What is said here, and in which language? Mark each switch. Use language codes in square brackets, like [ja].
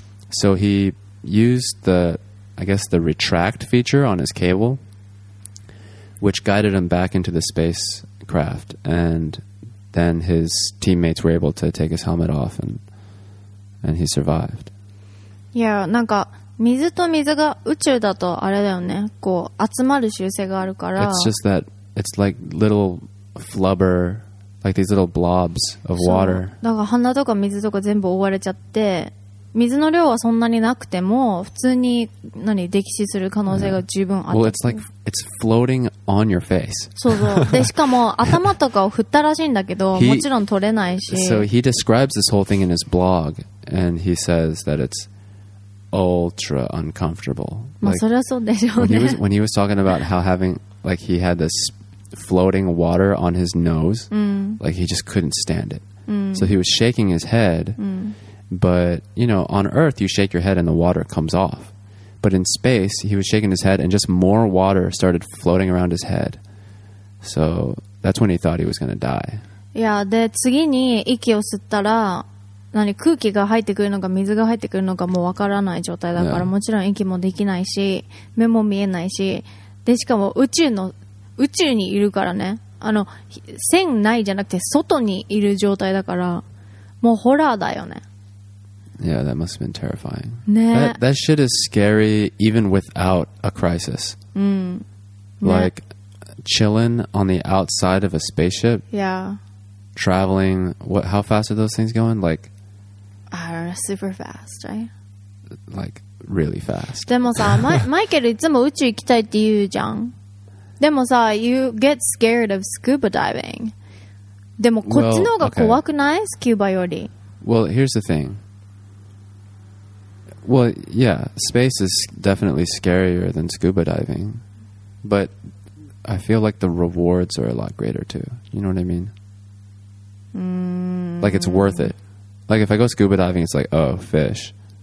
[en] So he used the retract feature on his cable, which guided him back into the spacecraft. And then his teammates were able to take his helmet off and he survived. [ja] Yeah, なんか水と水が宇宙だとあれだよね。こう集まる習性があるから。 [en] It's just that it's like little flubber, like these little blobs of water. [ja] だから鼻とか水とか全部覆われちゃって、水の量はそんなになくても普通に何溺死する可能性が十分ある。 [en] Yeah. Well, it's like it's floating on your face. [ja] そうそう。でしかも頭とかを振ったらしいんだけど、もちろん取れないし。 [en] So he describes this whole thing in his blog, and he says that it's ultra uncomfortable. [ja] まあ、それはそうでしょうね。 [en] When he was talking about how having like he had this floating water on his nose, like he just couldn't stand it. So he was shaking his head. But, you know, on Earth, you shake your head and the water comes off. But in space, he was shaking his head and just more water started floating around his head. So that's when he thought he was going to die. [ja] Yeah, で次に息を吸ったら、何空気が入ってくるのか水が入ってくるのかもうわからない状態だから、yeah. もちろん息もできないし、目も見えないし、でしかも宇宙にいるからね。あの、線ないじゃなくて外にいる状態だから、もうホラーだよね。 [en] Yeah, that must have been terrifying. [ja] ね、 [en] that shit is scary even without a crisis.、 [ja] うんね、 [en] like, chilling on the outside of a spaceship. Yeah. Traveling. What, how fast are those things going? Like, I don't know, super fast, right? Like, really fast. [ja] でもさ、マイケルいつも宇宙行きたいって言うじゃん。でもさ、 [en] you get scared of scuba diving. [ja] でもこっちの方が怖くない? Scuba より。 [en] Well, here's the thing. Well, yeah, space is definitely scarier than scuba diving, but I feel like the rewards are a lot greater too. You know what I mean? Like, it's worth it. Like, if I go scuba diving, it's like, oh, fish.